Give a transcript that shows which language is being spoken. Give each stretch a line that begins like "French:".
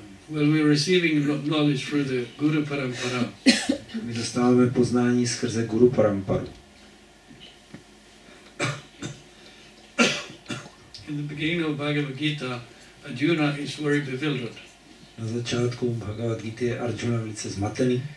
English: Well, we're receiving knowledge through the Guru Parampara.
Czech: My dostáváme poznání skrze Guru Paramparu.
English: In the beginning of Bhagavad Gita, Arjuna is very bewildered.
Czech: Na začátku Bhagavad Gita je Arjuna velice zmatený.